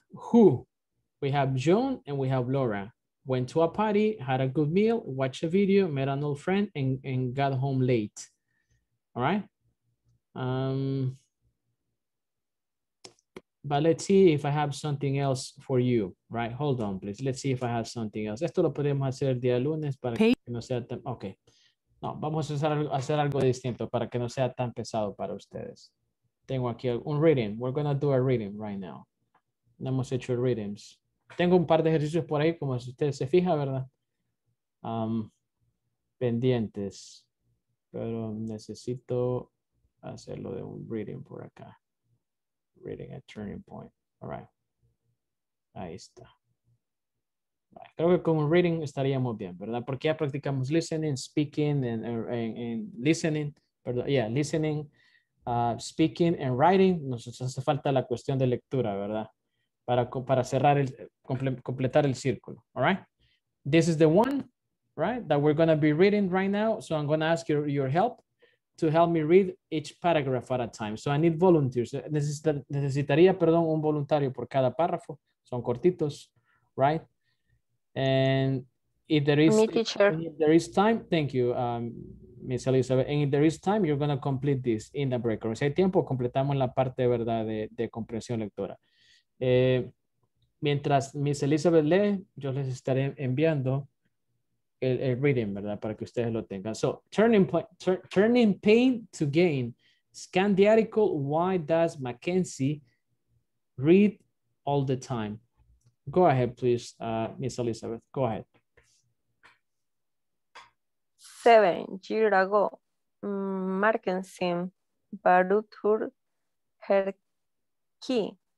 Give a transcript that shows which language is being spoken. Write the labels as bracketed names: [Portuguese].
[English] Who? We have Joan and we have Laura. Went to a party, had a good meal, watched a video, met an old friend, and got home late. All right? But let's see if I have something else for you, right? Hold on, please. Let's see if I have something else. [Spanish] Esto lo podemos hacer el día lunes para pay. Que no sea tan... Okay. No, vamos a hacer algo distinto para que no sea tan pesado para ustedes. Tengo aquí un reading. [English] We're going to do a reading right now. [Spanish] No hemos hecho readings. Tengo un par de ejercicios por ahí, como si ustedes se fijan, ¿verdad? Pendientes. Pero necesito hacerlo de un reading por acá. [English] Reading a turning point. All right. [Spanish] Ahí está. [English] Right. [Spanish] Creo que con un reading estaríamos bien, ¿verdad? Porque ya practicamos [English] listening, speaking, and listening. [Spanish] Perdón, [English] yeah, listening, speaking, and writing. [Spanish] Nos hace falta la cuestión de lectura, ¿verdad? Para cerrar el, completar el círculo. [English] All right. This is the one, right, that we're going to be reading right now. So I'm going to ask your help to help me read each paragraph at a time. So I need volunteers. [Spanish] Necesitaría, perdón, un voluntario por cada párrafo. Son cortitos, [English] right? And if there is, me, teacher. If there is time, thank you, Miss Elizabeth. And if there is time, you're going to complete this in the break. [Spanish] Si hay tiempo, completamos la parte, ¿verdad?, de comprensión lectora. Mientras Miss Elizabeth lee, yo les estaré enviando el reading, ¿verdad? Para que ustedes lo tengan. [English] So, turning pain to gain. Scan the article, why does Mackenzie read all the time? Go ahead, please, Miss Elizabeth. Go ahead. 7 years ago, Mackenzie borrowed her key.